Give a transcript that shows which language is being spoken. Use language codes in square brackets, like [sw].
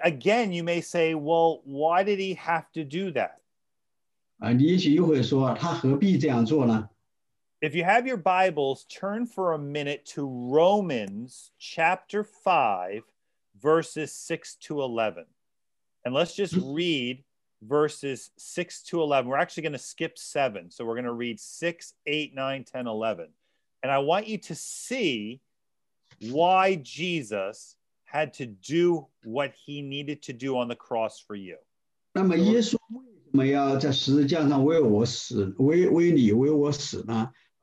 [en] again, you may say, well, why did he have to do that? [zh] 你也许又会说，他何必这样做呢？ [en] If you have your Bibles, turn for a minute to Romans chapter 5, verses 6 to 11. And let's just read verses 6 to 11. We're actually going to skip 7. So we're going to read 6, 8, 9, 10, 11. And I want you to see why Jesus had to do what he needed to do on the cross for you. [zh] 那么耶稣为什么要在十字架上为我死，为你为我死呢？